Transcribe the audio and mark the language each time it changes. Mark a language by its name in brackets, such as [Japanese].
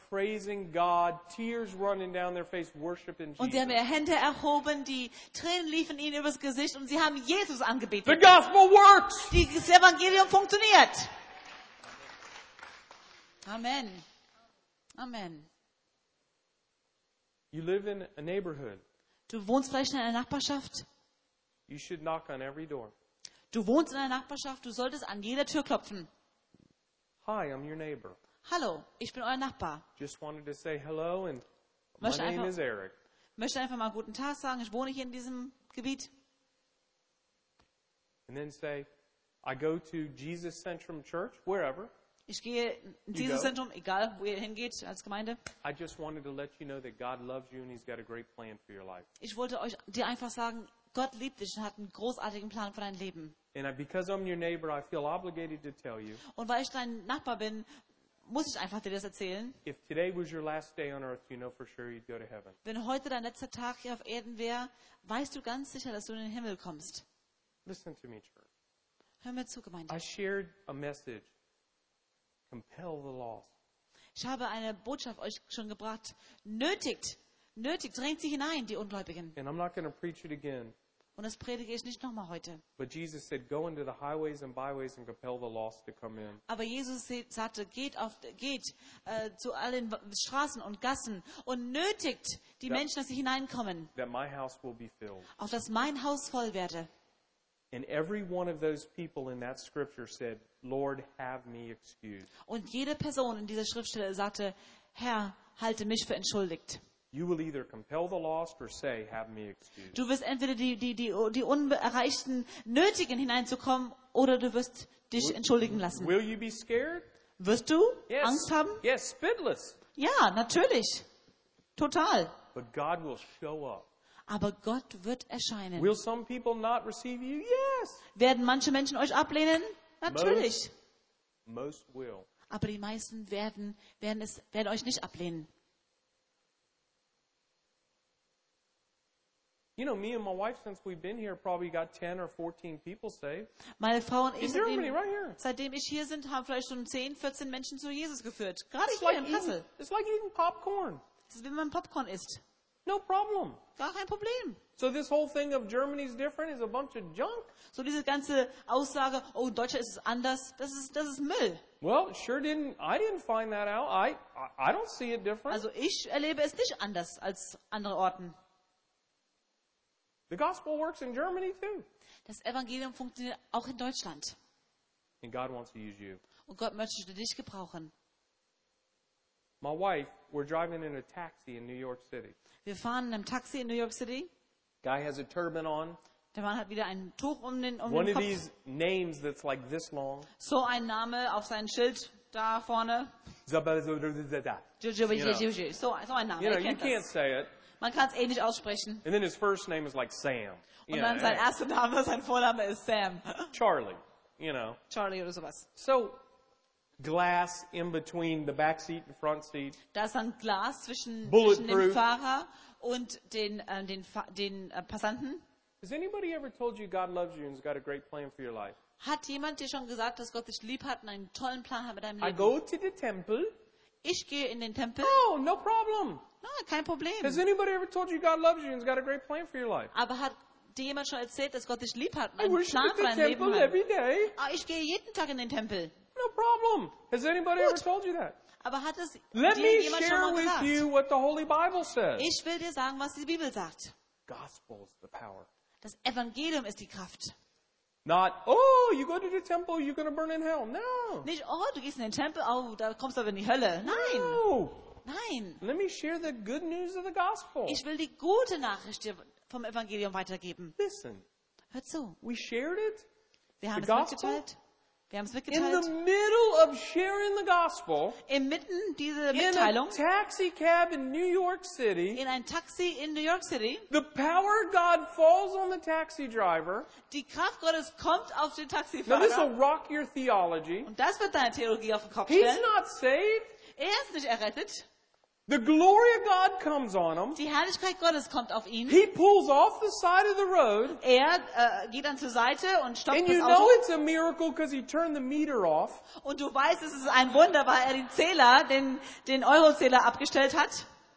[English] Praising God, tears running down their face, worshiping Jesus. [German] Und sie haben ihre Hände erhoben, die Tränen liefen ihnen übers Gesicht und sie haben Jesus angebetet. [English] The gospel works. [German] Das Evangelium funktioniert. [English] Amen. Amen. You live in a neighborhood. [German] Du wohnst vielleicht in einer Nachbarschaft. [English] You should knock on every door. [German] Du wohnst in einer Nachbarschaft, du solltest an jeder Tür klopfen. [English] Hi, I'm your neighbor. [German] Hallo, ich bin euer Nachbar. [English] Just wanted to say hello and my name is Eric. [German] Möchte einfach mal guten Tag sagen. Ich wohne hier in diesem Gebiet. [English] And then say, I go to Jesus Centrum Church, wherever. [German] Ich gehe in Jesus Zentrum, egal wo ihr hingeht als Gemeinde. [English] I just wanted to let you know that God loves you and He's got a great plan for your life. [German] Ich wollte euch dir einfach sagen, Gott liebt dich und hat einen großartigen Plan für dein Leben. [English] And because I'm your neighbor, I feel obligated to tell you. [German] Und weil ich dein Nachbar bin. muss ich einfach dir das erzählen. [English] If today was your last day on earth, you know for sure you'd go to heaven. [German] Wenn heute dein letzter Tag hier auf Erden wäre, weißt du ganz sicher, dass du in den Himmel kommst. [English] Listen to me, church. [German] Hör mir zu, Gemeinde. [English] I shared a message. Compel the lost. [German] Ich habe eine Botschaft euch schon gebracht. Nötigt, drängt sie hinein, die Ungläubigen. [English] And I'm not going to preach it again. [German] Und das predige ich nicht nochmal heute. [English] But Jesus said, go into the highways and byways and compel the lost to come in. [German] Aber Jesus sagte, geht zu allen Straßen und Gassen und nötigt die Menschen, dass sie hineinkommen. [English] That my house will be filled. [German] Auf dass mein Haus voll werde. [English] And every one of those people in that scripture said, Lord, have me excused. [German] Und jede Person in dieser Schriftstelle sagte, Herr, halte mich für entschuldigt. [English] You will either compel the lost or say, have me excused. [German] Du wirst entweder die Unerreichten nötigen hineinzukommen oder du wirst dich entschuldigen lassen. [English] Will you be scared? [German] Wirst du Angst haben? [English] Yes, spitless. [German] Ja, natürlich. Total. [English] But God will show up. [German] Aber Gott wird erscheinen. [English] Will some people not receive you? Yes. [German] Werden manche Menschen euch ablehnen? Natürlich. [English] Most will. [German] Aber die meisten werden euch nicht ablehnen. [English] You know, me and my wife, since we've been here, probably got 10 or 14 people saved. [German] Meine Frau und ich, seitdem ich hier sind, haben vielleicht schon 10, 14 Menschen zu Jesus geführt. Gerade hier in Kassel. [English] It's like eating popcorn. [German] Das ist, wenn man Popcorn isst. [English] No problem. [German] Gar kein Problem. [English] So this whole thing of Germany is different is a bunch of junk. [German] So diese ganze Aussage, oh, Deutschland ist anders, das ist Müll. [English] Well, sure I didn't find that out. I don't see it different. [German] Also ich erlebe es nicht anders als andere Orten. [English] The gospel works in Germany too. [German] Das Evangelium funktioniert auch in Deutschland. [English] And God wants to use you. [German] Und Gott möchte dich gebrauchen. [English] My wife, we're driving in a taxi in New York City. [German] Wir fahren in einem Taxi in New York City. [English] Guy has a turban on. [German] Der Mann hat wieder ein Tuch um den Kopf. [English] One of these names that's like this long. [German] So ein Name auf seinem Schild da vorne. So ein Name. [English] You can't say it. [German] Man kann es eh nicht aussprechen. [English] And then his first name is like Sam. [German] Und dann sein erster Name, sein Vorname ist Sam. [English] Charlie, you know. [German] Charlie oder sowas. [English] So glass in between the back seat and front seat. [German] Da ist ein Glas zwischen dem Fahrer und den Passanten. [English] Has anybody ever told you God loves you and has got a great plan for your life? [German] Hat jemand dir schon gesagt, dass Gott dich lieb hat und einen tollen Plan hat mit deinem Leben? [English] I go to the temple. [German] Ich gehe in den Tempel. [English] Oh, no problem. [German] Na, kein Problem. [English] Has anybody ever told you God loves you and has got a great plan for your life? [German] Aber hat dir jemand schon erzählt, dass Gott dich lieb hat und einen Plan für dein Leben hat? [English] I worship at the temple every day. [German] Ich gehe jeden Tag in den Tempel. [English] No problem. Has anybody ever told you that? [German] Aber hat es [English] Let [German] dir [English] me [German] jemand [English] share [German] schon mal [English] with [German] gesagt? [English] You what the Holy Bible says. [German] Ich will dir sagen, was die Bibel sagt. [English] Gospel is the power. [German] Das Evangelium ist die Kraft. [English] Not, oh, you go to the temple, you're going to burn in hell. No. [German] Nicht, oh, du gehst in den Tempel, oh, da kommst du aber in die Hölle. Nein. [English] No. [German] Nein. [English] Let me share the good news of the gospel. [German] Ich will die gute Nachricht dir vom Evangelium weitergeben. [English] Listen. [German] Hör zu. [English] We shared it. [German] Wir haben es mitgeteilt. [English] In the middle of sharing the gospel, [German] inmitten dieser Mitteilung, [English] in a taxi cab in New York City, [German] in ein Taxi in New York City, [English] the power of God falls on the taxi driver. [German] Die Kraft Gottes kommt auf den Taxifahrer. [English] Now this will rock your theology. [German] Und das wird deine Theologie auf den Kopf stellen. [English] He's not saved. [German] Ist nicht errettet. [English] The glory of God comes on him. [German] Die Herrlichkeit Gottes kommt auf ihn. [English] He pulls off the side of the road. [German] Geht dann zur Seite und stoppt [English] and [German] das [English] you [German] Auto. [English] Know it's a miracle because he turned the meter off. [German] Und du weißt, es ist ein Wunder, weil den Zähler, den Eurozähler abgestellt hat.